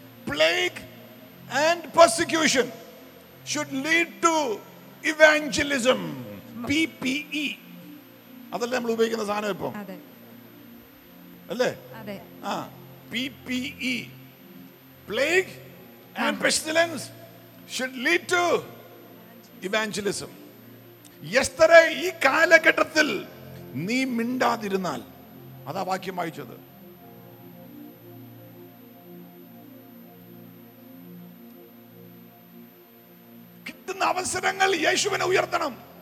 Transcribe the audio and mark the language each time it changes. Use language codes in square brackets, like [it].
[en] Plague and persecution should lead to evangelism. PPE. [ml] അതല്ലേ നമ്മൾ ഉപയോഗിക്കുന്ന സാധനം ഇപ്പോ, അല്ലേ? ആ PPE. [en] Plague and pestilence should lead to evangelism. [ml] എസ്തറെ, ഈ കാലഘട്ടത്തിൽ നീ മിണ്ടാതിരുന്നാൽ, അതാ വാക്യം വായിച്ചത്. അവസരങ്ങൾ യേശുവിനെ ഉയർത്തണം.